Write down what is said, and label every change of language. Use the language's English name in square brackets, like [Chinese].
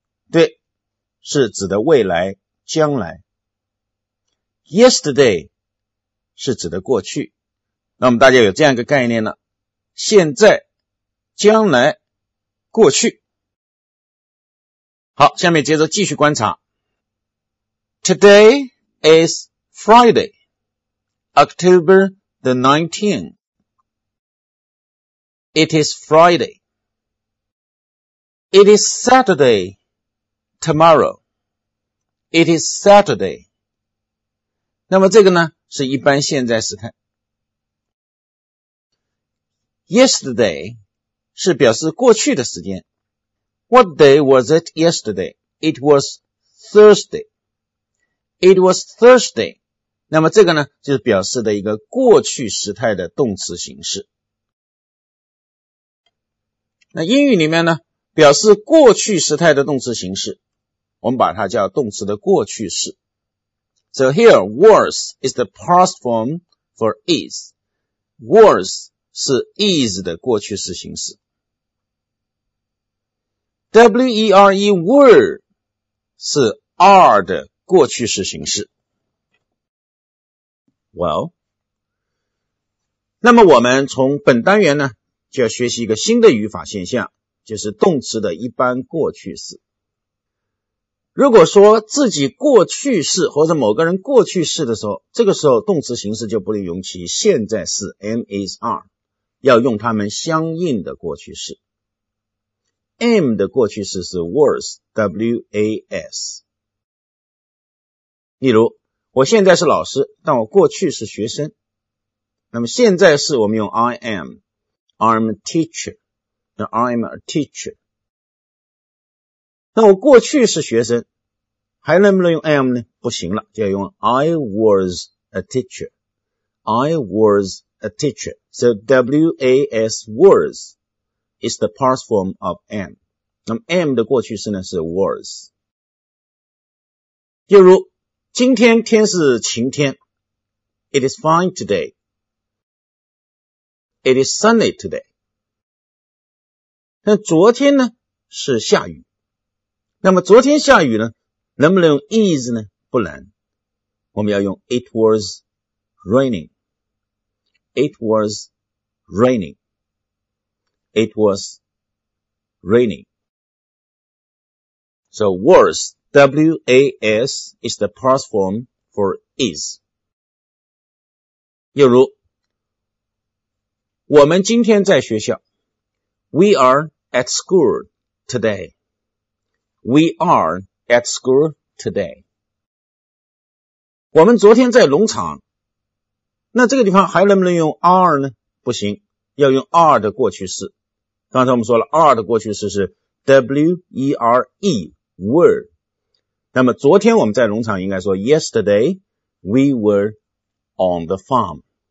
[Chinese] 对，是指的未来，将来。 yesterday 是指的过去。那么大家有这样一个概念了，现在，将来，过去。好，下面接着继续观察。 [English] Today is Friday, October the 19th. It is Friday. It is Saturday tomorrow. It is Saturday. [Chinese] 那么这个呢，是一般现在时态。 Yesterday 是表示过去的时间。 [English] What day was it yesterday? It was Thursday. It was Thursday. [Chinese] 那么这个呢，就是表示的一个过去时态的动词形式。那英语里面呢，表示过去时态的动词形式，我们把它叫动词的过去式。 [English] So here, was is the past form for is. [Chinese] Was是 is 的过去式形式。 were, were 是 are 的过去式形式。 Well, 那么我们从本单元呢，就要学习一个新的语法现象，就是动词的一般过去式。如果说自己过去式或者某个人过去式的时候，这个时候动词形式就不利用其现在式 am, is, are。要用它们相应的过去式。 am 的过去式是 was, was。例如，我现在是老师，但我过去是学生。那么现在式我们用 [English] I am, I'm a teacher, I'm a teacher。 [Chinese] 那我过去是学生，还能不能用 am 呢？不行了，就要用 [English] I was a teacher, I was a teacher。 So was was is the past form of am。 [Chinese] 那么 am 的过去式呢是 was。例如今天天是晴天， [English] It is fine today. It is sunny today. [Chinese] 那昨天呢是下雨，那么昨天下雨呢，能不能用 is 呢？不能，我们要用 [English] It was raining. It wasraining, it was raining. So was, was is the past form for is. [Chinese] 例如，我们今天在学校， [English] we are at school today. We are at school today. [Chinese] 我们昨天在农场，那这个地方还能不能用 are 呢？不行，要用 are 的过去式。刚才我们说了 are 的过去式是 were, were。那么昨天我们在农场应该说 [English] yesterday we were on the farm。